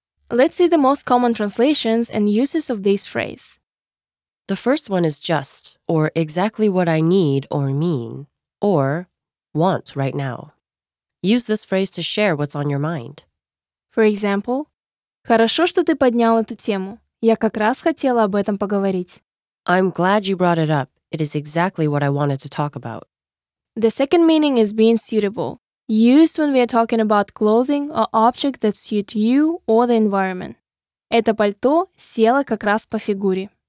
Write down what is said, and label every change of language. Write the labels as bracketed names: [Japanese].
[English] Let's see the most common translations and uses of this phrase. The first one is just, or exactly what I need or mean, or want right now. Use this phrase to share what's on your mind. For example, [Russian] хорошо, что ты поднял эту тему. Я как раз хотела об этом поговорить. [English] I'm glad you brought it up. It is exactly what I wanted to talk about. The second meaning is being suitable, used when we are talking about clothing or object that suit you or the environment. [Russian] Это пальто село как раз по фигуре.